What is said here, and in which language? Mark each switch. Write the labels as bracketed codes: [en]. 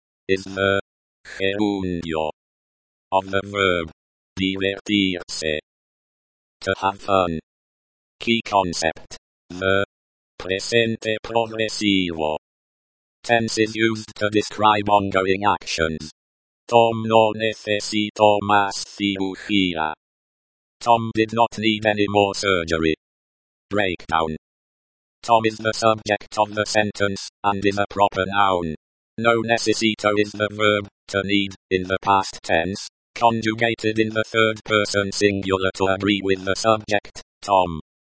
[en] is the gerundio of the verb divertirse, to have fun. Key concept, the presente progressivo. Tense is used to describe ongoing actions. [es] Tom no necesito más cirugía. [en] Tom did not need any more surgery. Breakdown. Tom is the subject of the sentence, and is a proper noun. [es] No necesito [en] is the verb, to need, in the past tense, conjugated in the third person singular to agree with the subject, Tom.